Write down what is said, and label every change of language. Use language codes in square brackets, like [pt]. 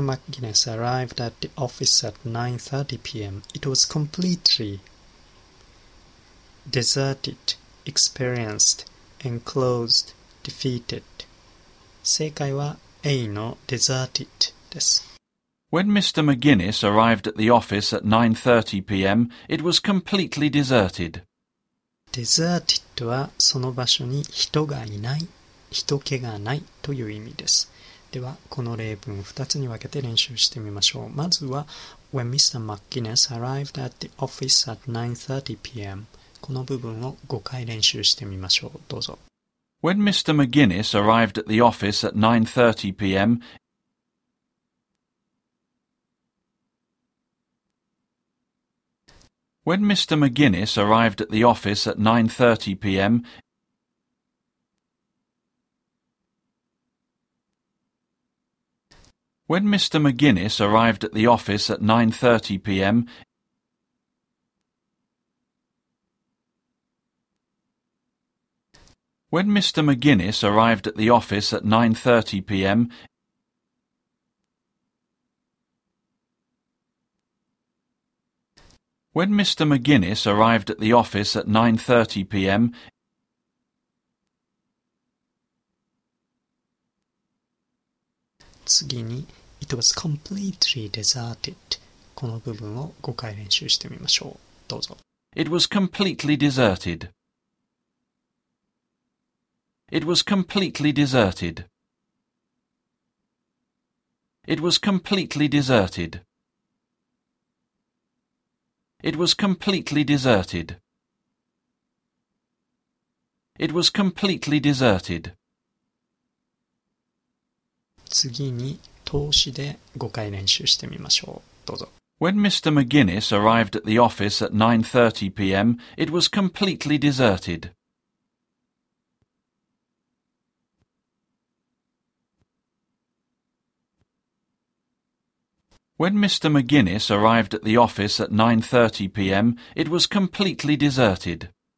[en] McGuinness arrived at the office at 9:30 p.m., it was completely deserted, experienced, enclosed, defeated. [ja] 正解は A の deserted です。 [en] When Mr. McGuinness arrived at the office at 9:30 p.m., it was completely deserted. [ja] Deserted はその場所に人がいない。人気がないという意味です。では、この例文2つに分けて練習してみましょう。まずは、 [en] When Mr. McGuinness arrived at the office at 9:30 p.m. [ja] この部分を5回練習してみましょう。どうぞ。 [en] When Mr. McGuinness arrived at the office at 9:30 p.m. When Mr. McGuinness arrived at the office at 9:30 p.m. When Mr. McGuinness arrived at the office at 9:30 p.m., when Mr. McGuinness arrived at the office at 9:30 p.m., when Mr. McGuinness arrived at the office at 9:30 p.m. [ja] 次に、 [en] It was completely deserted. [ja] この部分を5回練習してみましょう。どうぞ。 [en] It was completely deserted. It was completely deserted. It was completely deserted. It was completely deserted. It was completely deserted. [ja] 次に、投資で5回練習してみましょう。どうぞ。 [en] When Mr. McGuinness arrived at the office at 9:30 p.m., it was completely deserted. When Mr. McGuinness arrived at the office at 9:30 p.m., it was completely deserted.